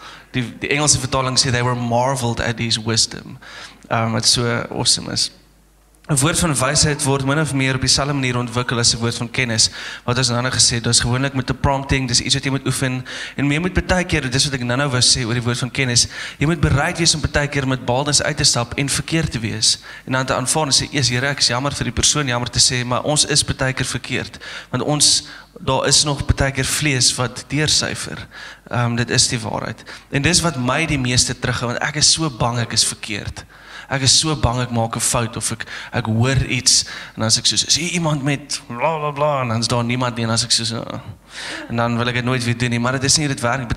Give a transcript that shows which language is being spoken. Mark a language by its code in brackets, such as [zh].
[af] Die Engelse vertaling sê, [en] they were marveled at his wisdom. [af] Wat so awesome is. Een woord van wysheid word min of meer op dieselfde manier ontwikkel as een woord van kennis. Wat is nou gesê, dat is gewoonlik met de prompting, dis iets wat jy moet oefen. En jy moet baie keer, dis wat ek nou wou sê oor die woord van kennis, jy moet bereid wees om baie keer met baldens uit te stap en verkeerd te wees. En dan te aanvaar en sê, yes, Here, ek is jammer vir die persoon, jammer te sê, maar ons is baie keer verkeerd. Want ons, daar is nog baie keer vlees wat deursuiver. Dit is die waarheid. En dis wat my die meeste terughou, want ek is so bang ek is verkeerd. Ek is so bang ek maak 'n fout of ek hoor iets en dan as ek soos, is hier iemand met bla bla bla en dan is daar niemand nie en dan as ek soos, oh. En dan wil ek het nooit weer doen nie, maar dit is nie dit werk.